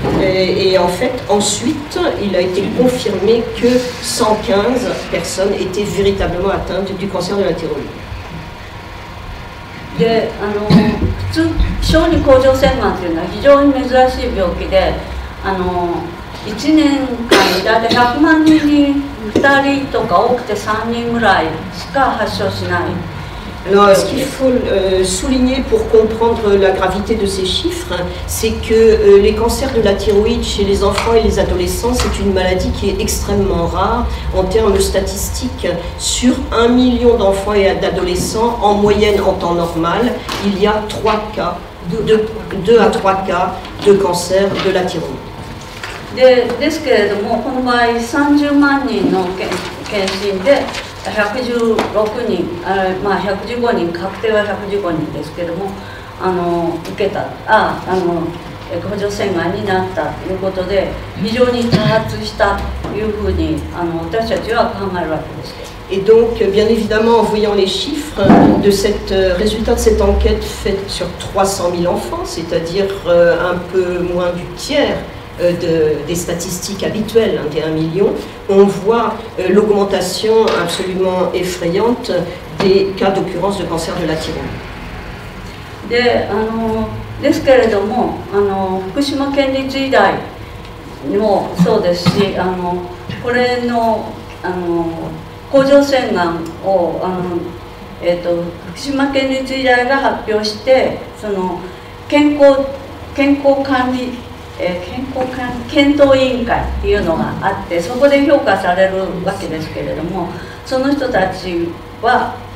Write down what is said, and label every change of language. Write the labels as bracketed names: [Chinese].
[French] Et en fait, ensuite, il a été confirmé que 115 personnes étaient véritablement atteintes du cancer de la thyroïde. [Japanese] で普通小児甲状腺がんというのは非常に珍しい病気で、1年間に大体100万人に2人とか多くて3人ぐらいしか発症しない。 [French] Alors, ce qu'il faut souligner pour comprendre la gravité de ces chiffres, c'est que les cancers de la thyroïde chez les enfants et les adolescents, c'est une maladie qui est extrêmement rare en termes statistiques. Sur 1 million d'enfants et d'adolescents, en moyenne en temps normal, il y a 3 cas, 2 à 3 cas de cancer de la thyroïde. [Japanese] ですけれども、この場合30万人の検診で115人、確定は115人ですけれども、受けた、甲状腺がんになったということで、非常に多発したというふうに私たちは考えるわけです。 [French] Et donc, bien évidemment, en voyant les chiffres de cette résultat de cette enquête faite sur 300 000 enfants, c'est-à-dire un peu moins du tiers. Des statistiques habituelles, hein, des 1 million, on voit l'augmentation absolument effrayante des cas d'occurrence de cancer de la thyroïde. [Japanese] で、ですけれども、福島県立医大もそうですし、これの、甲状腺がんを、福島県立医大が発表して、その健康管理健康管理検討委員会っていうのがあって、そこで評価されるわけですけれども、その人たちは